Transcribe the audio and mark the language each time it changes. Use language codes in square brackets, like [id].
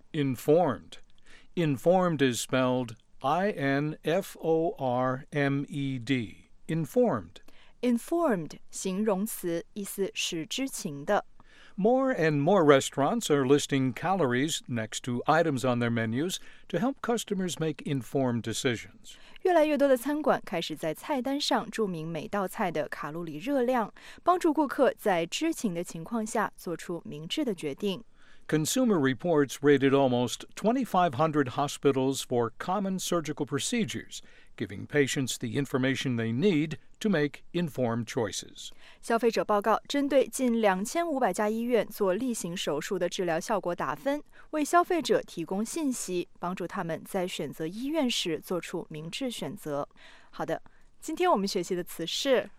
[en] informed。 Informed is spelled I-N-F-O-R-M-E-D. Informed. [zh] Informed, 形容词，意思是知情的。 [en] More and more restaurants are listing calories next to items on their menus to help customers make informed decisions. [zh] 越来越多的餐馆开始在菜单上注明每道菜的卡路里热量，帮助顾客在知情的情况下做出明智的决定。 [en] Consumer Reports rated almost 2,500 hospitals for common surgical procedures, giving patients the information they need to make informed choices. [zh] 消费者报告针对近2500家医院做例行手术的治疗效果打分，为消费者提供信息，帮助他们在选择医院时做出明智选择。好的，今天我们学习的词是